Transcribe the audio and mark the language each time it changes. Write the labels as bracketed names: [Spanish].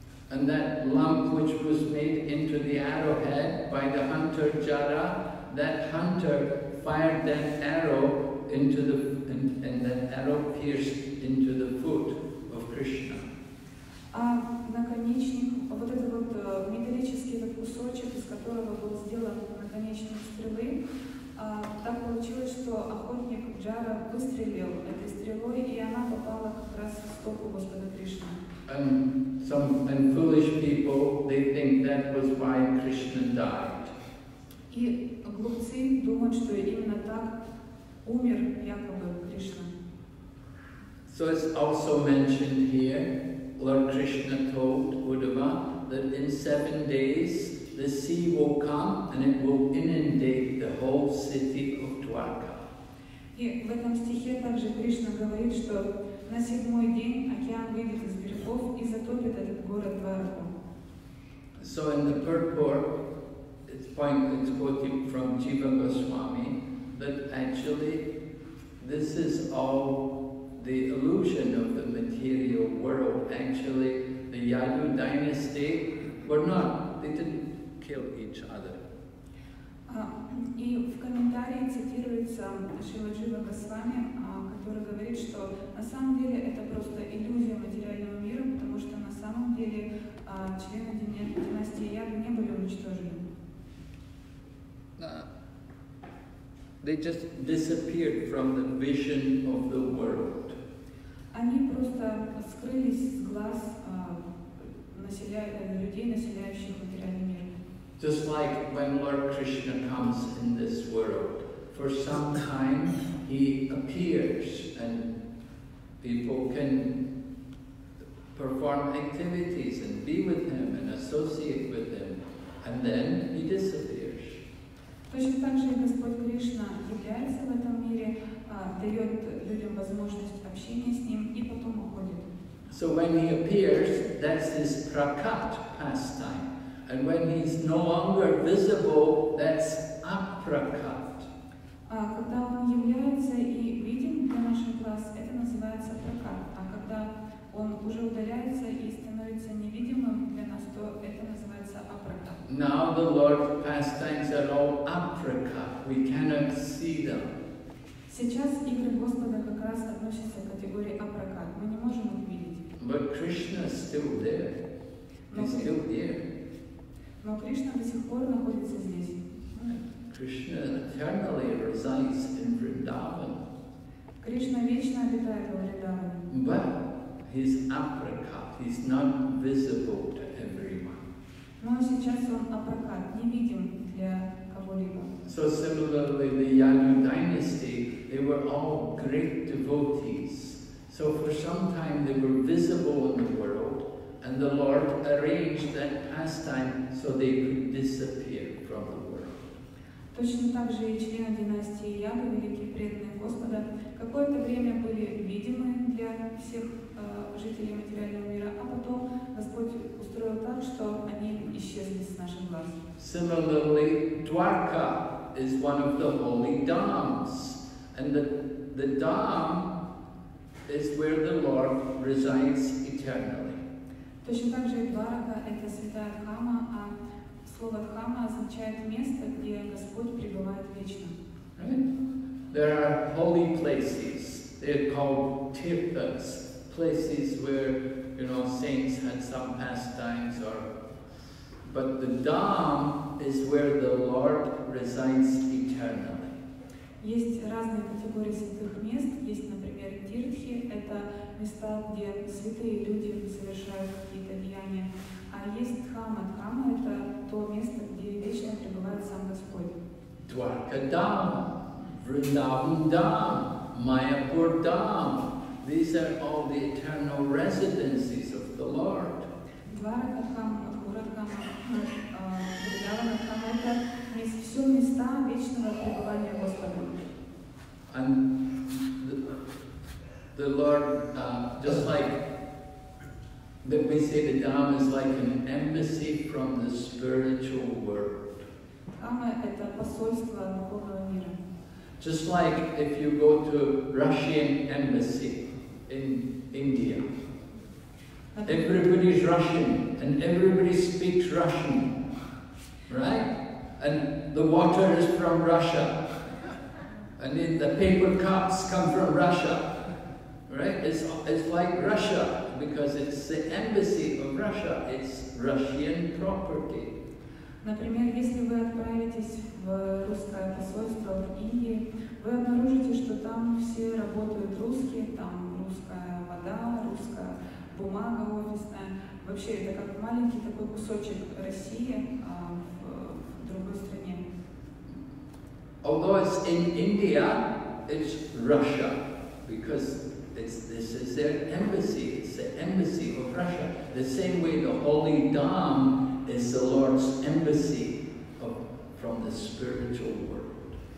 [English] And that lump which was made into the arrowhead by the hunter Jara, that hunter fired that arrow into the and that arrow pierced into the foot of Krishna. [Russian] А наконечник, вот этот вот металлический этот кусочек, из которого был сделан наконечник стрелы, так получилось, что охотник Джара выстрелил этой стрелой, и она попала как раз в стопу Господа Кришны. [English] And foolish people, they think that was why Krishna died. [Russian] И глупцы думают, что именно так умер якобы Кришна. [English] So it's also mentioned here. Lord Krishna told Uddhava that in 7 days the sea will come and it will inundate the whole city of Dwarka. [Russian] И в этом стихе также Кришна говорит, что на седьмой день океан выйдет из берегов и затопит этот город Дварку. [English] So in the purport, it's quoted from Jiva Goswami that actually this is all the illusion of the material world. Actually, the Yadu dynasty were not, they didn't kill each other. [Russian] И в комментарии цитируется Шрила Джива Госвами, который говорит, что на самом деле это просто иллюзия материального мира, потому что на самом деле члены династии Яду не были уничтожены. [English] They just disappeared from the vision of the world. [Russian] Они просто скрылись с глаз людей, населяющих материальный мир. [English] Just like when Lord Krishna comes in this world, for some time he appears and people can perform activities and be with him and associate with him, and then he disappears. [Russian] То Точно так же и Господь Кришна является в этом мире, дает людям возможность общения с Ним и потом уходит. [English] So when He appears, that's His prakat pastime. And when He's no longer visible, that's apprakat. [Russian] Когда Он является и виден для наших глаз, это называется прокат. А когда Он уже удаляется и становится невидимым для нас, то это называется апракат. [English] Now the Lord's pastimes are all apprakat. We cannot see them. [Russian] Сейчас игры Господа как раз относятся к категории апракат. Мы не можем их видеть. [English] But Krishna is still there. He's still there. [Russian] Но Кришна до сих пор находится здесь. [English] Кришна eternally resides in Vrindavan. [Russian] Кришна вечно обитает во Вриндаване. [English] But his apprakat, he's not visible to everyone. [Russian] Но сейчас он апракат, невидим для кого-либо. [English] So similarly, the Yadu dynasty, they were all great devotees. So for some time they were visible in the world, and the Lord arranged that pastime so they could disappear from the world. [Russian] Точно так же и члены династии Яду, великие преданные Господа, какое-то время были видимы для всех жителей материального мира, а потом Господь устроил так, что они исчезли с наших глаз. [English] Similarly, Dwarka is one of the holy dhams, and the dham is where the Lord resides eternally. [Russian] Точно так же и Дварака — это святая Дхама, а слово Дхама означает место, где Господь пребывает вечно. [English] There are holy places, they're called Tirthas, places where, you know, saints had some pastimes or... But the Dham is where the Lord resides eternally. [Russian] Есть разные категории святых мест. Есть, например, тирхи — это места, где святые люди совершают какие-то деяния. А есть дхама. Дхама — это то место, где вечно пребывает сам Господь. [English] Дварка дам, Вриндаван дам, Майяпур дам — these are all the eternal residences of the Lord. [Russian] Дварка дам, Мадхурат дам, Вриндаван дам — это все места вечного пребывания Господа. [English] And the Lord, just like that we say the Dham is like an embassy from the spiritual world. [Russian] Dham — это посольство духовного мира. [English] Just like if you go to Russian embassy in India. Everybody's Russian and everybody speaks Russian, right? And the water is from Russia. And then the paper cups come from Russia, right? It's like Russia, because it's the embassy of Russia. It's Russian property. [Russian] Например, если вы отправитесь в русское посольство в Индии, вы обнаружите, что там все работают русские, там русская вода, русская бумага офисная. Вообще, это как маленький такой кусочек России в другой стране. [English] Although it's in India, it's Russia, because this is their embassy, it's the embassy of Russia. The same way the Holy Dham is the Lord's embassy from the spiritual world.